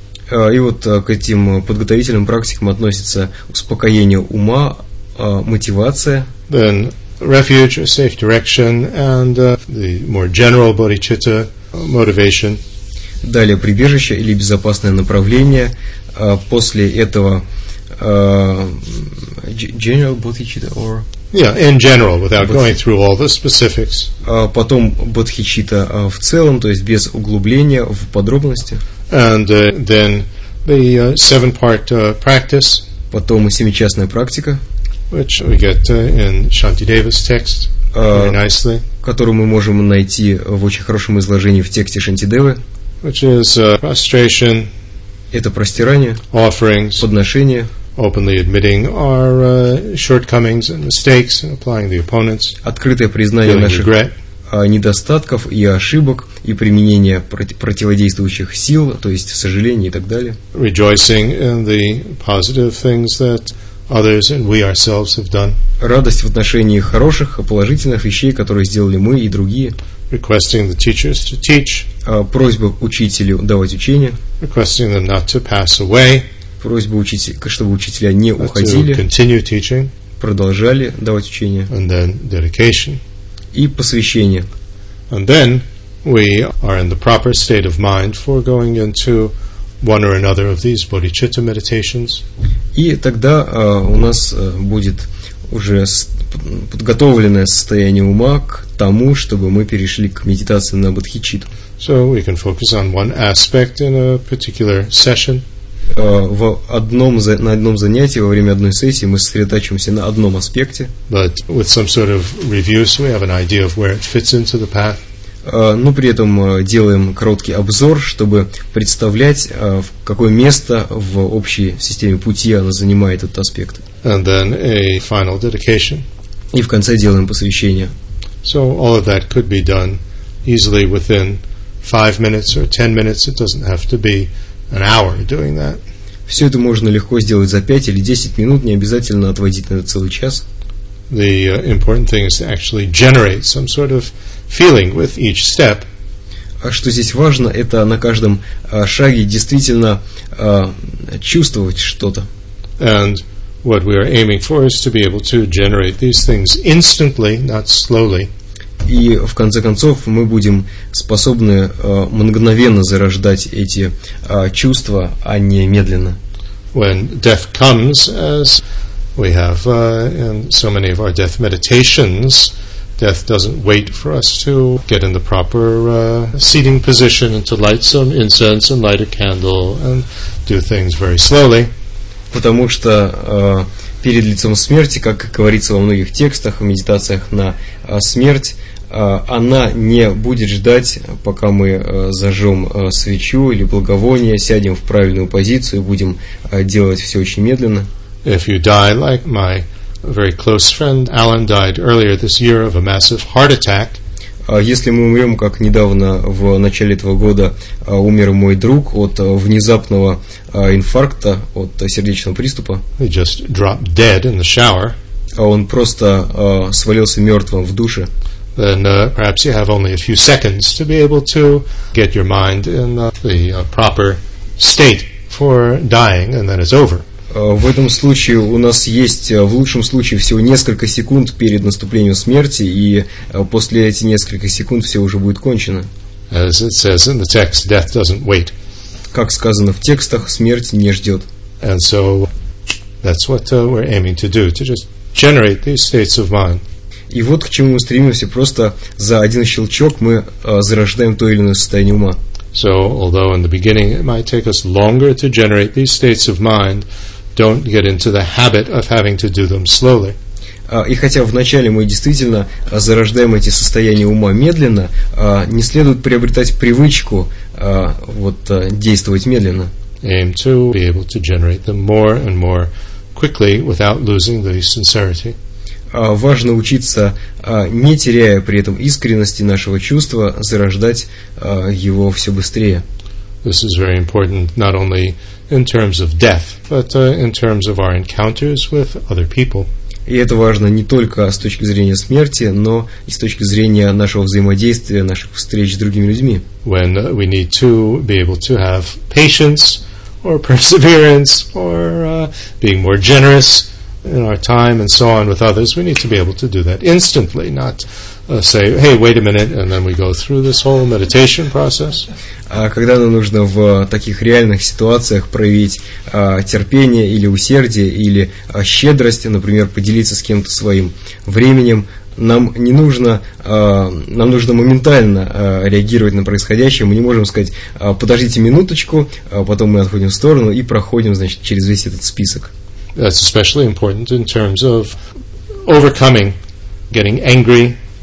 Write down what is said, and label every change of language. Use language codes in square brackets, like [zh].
[ru] И вот к этим подготовительным практикам относится успокоение ума, мотивация. [en] Then refuge or safe direction and the more general bodhicitta motivation. [ru] Далее прибежище или безопасное направление. После этого [en] general bodhicitta or yeah, in general, without going through all the specifics. [ru] Потом бодхичитта в целом, то есть без углубления в подробности. [en] And then the seven-part practice. [ru] Потом семичастная практика. [en] Which we get in Shantideva's text very nicely. [ru] Которую мы можем найти в очень хорошем изложении в тексте Шантидевы. [en] which is prostration, [ru] это простирание, [en] offerings, [ru] подношение, [en] openly admitting our shortcomings and mistakes and applying the opponents, [ru] открытое признание наших [en] regret, [ru] недостатков и ошибок и применение противодействующих сил, то есть сожаление и так далее. [en] Rejoicing in the positive things that others and we ourselves have done. [ru] Радость в отношении хороших, положительных вещей, которые сделали мы и другие. [en] Requesting the teachers to teach. [ru] Просьба учителю давать учение. [en] Requesting them not to pass away. [ru] Просьба учителя, чтобы учителя не уходили. [en] To continue teaching. [ru] Продолжали давать учение. [en] And then dedication. [ru] И посвящение. [en] And then we are in the proper state of mind for going into one or another of these bodhicitta meditations. [ru] И тогда у нас будет уже подготовленное состояние ума к тому, чтобы мы перешли к медитации на бодхичитту. [en] So we can focus on one aspect in a particular session. [ru] На одном занятии, во время одной сессии, мы сосредотачиваемся на одном аспекте. [en] But with some sort of review, so we have an idea of where it fits into the path. [ru] Но при этом делаем короткий обзор, чтобы представлять, какое место в общей системе пути она занимает этот аспект. [en] And then a final dedication. [ru] И в конце делаем посвящение. [en] So all of that could be done easily within 5 minutes or 10 minutes. It doesn't have to be an hour doing that. [ru] Все это можно легко сделать за 5 или 10 минут, не обязательно отводить на это целый час. [en] The important thing is to actually generate some sort of feeling with each step. [ru] А что здесь важно, это на каждом шаге действительно чувствовать что-то. [en] And what we are aiming for is to be able to generate these things instantly, not slowly. [ru] И в конце концов мы будем способны мгновенно зарождать эти чувства, а не медленно. [en] When death comes, as we have in so many of our death meditations, death doesn't wait for us to get in the proper seating position and to light some incense and light a candle and do things very slowly. [ru] Потому что перед лицом смерти, как говорится во многих текстах и медитациях на смерть, она не будет ждать, пока мы зажжем свечу или благовоние, сядем в правильную позицию и будем делать все очень медленно. [en] If you die like my very close friend Alan died earlier this year of a massive heart attack. [ru] Если мы умрем, как недавно в начале этого года умер мой друг от внезапного инфаркта, от сердечного приступа. [en] He just dropped dead in the shower. [ru] Он просто свалился мертвым в душе. [en] Then perhaps you have only a few seconds to be able to get your mind in the proper state for dying, and then it's over. [ru] В этом случае у нас есть, в лучшем случае, всего несколько секунд перед наступлением смерти, и после этих нескольких секунд все уже будет кончено. [en] As it says in the text, death doesn't wait. [ru] Как сказано в текстах, смерть не ждет. [en] And so that's what we're aiming to do, to just generate these states of mind. [ru] И вот к чему мы стремимся, просто за один щелчок мы зарождаем то или иное состояние ума. [en] So, although in the beginning it might take us longer to generate these states of mind, don't get into the habit of having to do them slowly. [ru] И хотя вначале мы действительно зарождаем эти состояния ума медленно, не следует приобретать привычку действовать медленно. [en] Aim to be able to generate them more and more quickly without losing the sincerity. [ru] Важно учиться, не теряя при этом искренности нашего чувства, зарождать его все быстрее. [en] This is very important not only in terms of death, but in terms of our encounters with other people. [ru] И это важно не только с точки зрения смерти, но и с точки зрения нашего взаимодействия, наших встреч с другими людьми. [en] When we need to be able to have patience or perseverance or being more generous in our time and so on with others, we need to be able to do that instantly, not say, hey, wait a minute, and then we go through this whole meditation process. [ru] Когда нам нужно в таких реальных ситуациях проявить терпение или усердие или щедрость, например, поделиться с кем-то своим временем, нам нужно моментально реагировать на происходящее. Мы не можем сказать, подождите минуточку, потом мы отходим в сторону и проходим, значит, через весь этот список. [en] That's especially important in terms of overcoming getting angry